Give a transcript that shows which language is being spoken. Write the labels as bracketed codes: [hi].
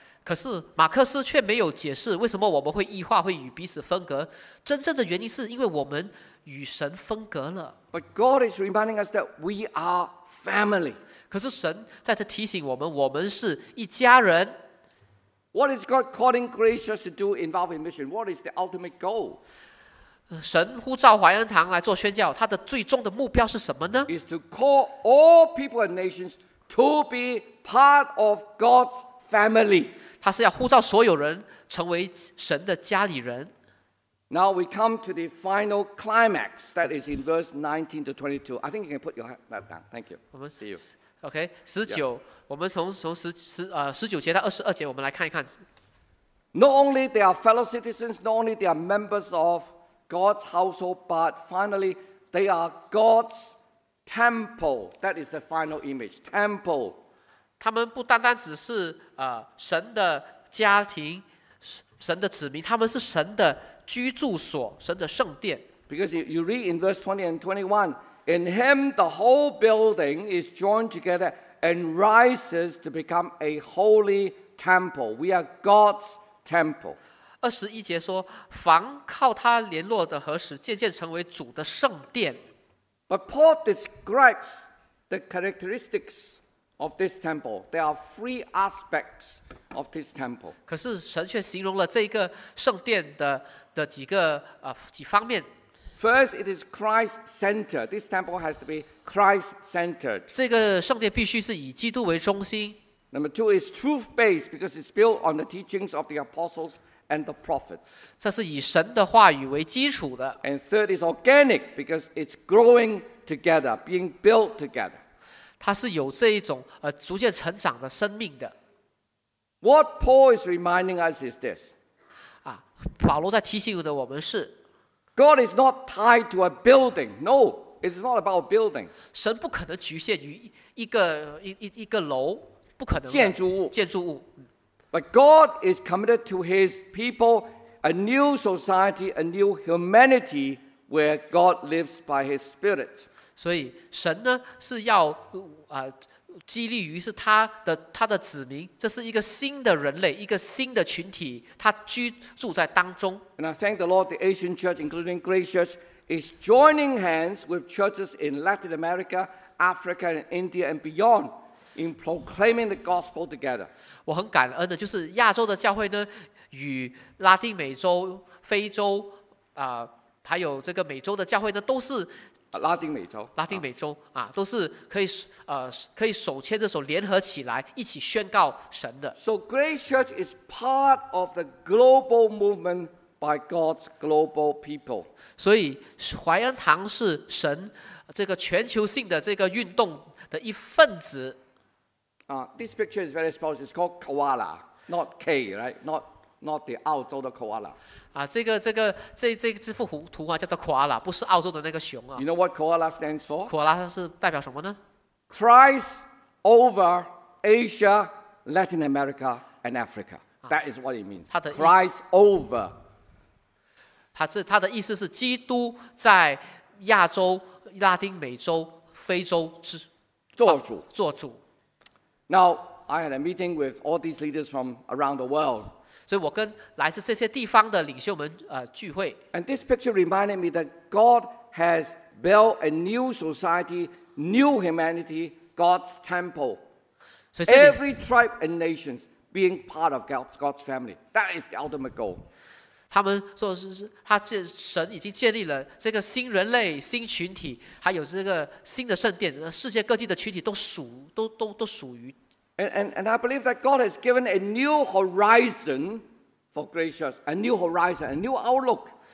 [zh] 可是马克思却没有解释为什么我们会异化，会与彼此分隔。真正的原因是因为我们与神分隔了。 [en] But God is reminding us that we are family. [zh] 可是神在这提醒我们，我们是一家人。 [en] What is God calling Gracious to do involved in mission? What is the ultimate goal? [zh] 神呼召怀恩堂来做宣教，他的最终的目标是什么呢 [en] ？Is to call all people and nations to be. Part of God's family. [zh] 他是要呼召所有人成为神的家里人。 [en] Now we come to the final climax. That is in verse 19 to 22. I think you can put your hand down. Thank you. See you. Okay, 19. [zh] 我们从19节到22节，我们来看一看。 [en] Not only they are fellow citizens, not only they are members of God's household, but finally they are God's temple. That is the final image. Temple. [zh] 他们不单单只是神的家庭，神的子民，他们是神的居住所，神的圣殿。 [en] Because you read in verse 20 and 21, in Him the whole building is joined together and rises to become a holy temple. We are God's temple. [zh] 二十一节说，凡靠他联络的合十，渐渐成为主的圣殿。 [en] But Paul describes the characteristics of this temple. There are three aspects of this temple. [zh] 可是神却形容了这个圣殿 的几个、几方面。 [en] First, it is Christ-centered. This temple has to be Christ-centered. [zh] 这个圣殿必须是以基督为中心。 [en] Number two, it's truth-based because it's built on the teachings of the apostles and the prophets. [zh] 这是以神的话语为基础的。 [en] And third, it's organic because it's growing together, being built together. [zh] 它是有这一种、逐渐成长的生命的。 [en] What Paul is reminding us is this. [zh] 啊，保罗在提醒的我们是。 [en] God is not tied to a building. No, it is not about a building. [zh] 神不可能局限于一个楼，不可能的建筑物。 [en] But God is committed to His people, a new society, a new humanity where God lives by His Spirit. [zh] 所以神呢是要激励于是他的子民，这是一个新的人类，一个新的群体，他居住在当中。 [en] And I thank the Lord, the Asian Church, including Grace Church, is joining hands with churches in Latin America, Africa, and India and beyond in proclaiming the gospel together. [zh] 我很感恩的，就是亚洲的教会呢，与拉丁美洲、非洲啊、还有这个美洲的教会呢，都是。拉丁美洲、都是可以手牵着手联合起来一起宣告神的。 [en] So Grace Church is part of the global movement by God's global people. [zh] 所以怀恩堂是神这个全球性的这个运动的一份子。 [en] This picture is very special. It's called koala, not K, right? Not the [zh] 澳洲的 [en] koala. [zh] 啊，这幅图画叫做 koala， 不是澳洲的那个熊啊。 [en] You know what koala stands for? [zh] Koala 是代表什么呢 [en] ？Christ over Asia, Latin America, and Africa. That is what it means. Christ over. [zh] 他的意思是基督在亚洲、拉丁美洲、非洲之做主。 [en] Now I had a meeting with all these leaders from around the world. [zh] 所以我跟来自这些地方的领袖们、聚会。 [en] And this picture reminded me that God has built a new society, new humanity, God's temple. Every tribe and nations being part of God's family. That is the ultimate goal. [zh] 他们说神已经建立了这个新人类、新群体，还有这个新的圣殿，世界各地的群体都属于。 [en] And I believe that God has given a new horizon for gracious, a new horizon, a new outlook.